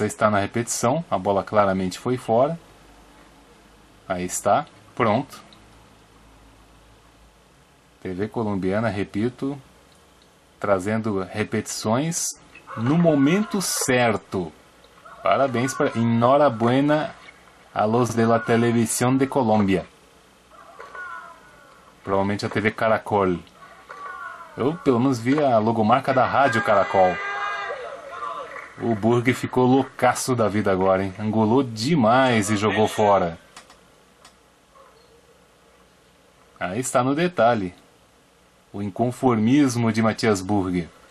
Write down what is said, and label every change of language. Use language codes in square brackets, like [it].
[pt] Aí está na repetição, a bola claramente foi fora. Aí está, pronto. TV colombiana, repito, trazendo repetições no momento certo. Parabéns para... [es] Enhorabuena a los de la televisión de Colombia. [pt] Provavelmente a TV Caracol. Eu, pelo menos, vi a logomarca da Rádio Caracol. O Burg ficou loucaço da vida agora, hein? Angulou demais e jogou fora. Aí está no detalhe. O inconformismo de Matias Burg.